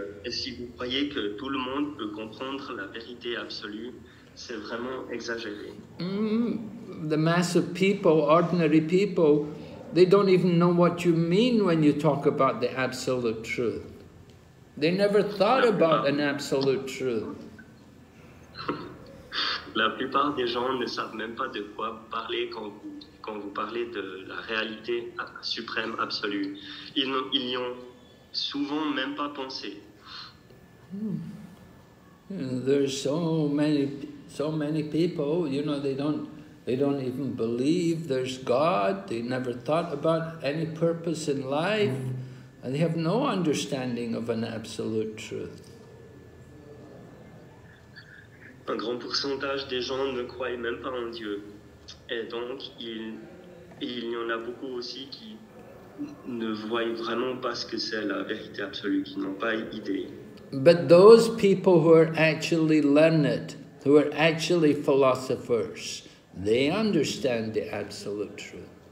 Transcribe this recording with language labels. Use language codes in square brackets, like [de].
[fr] Si vous croyez que tout le monde peut comprendre la vérité absolue, c'est vraiment exagéré. [en] The mass of people, ordinary people, they don't even know what you mean when you talk about the absolute truth. They never thought about an absolute truth. [fr] La plupart des gens ne savent même pas de quoi parler quand vous parlez de la réalité suprême absolue. Ils n'y ont souvent même pas pensé. [en] There's so many people, you know, they don't even believe there's God. They never thought about any purpose in life, and they have no understanding of an absolute truth. [fr] Un grand pourcentage des gens ne croient même pas en Dieu. Et donc, il y en a beaucoup aussi qui ne voient vraiment pas ce que c'est la vérité absolue, qui n'ont pas idée. [en] But those people who are actually learned, who are actually philosophers, they understand the absolute truth.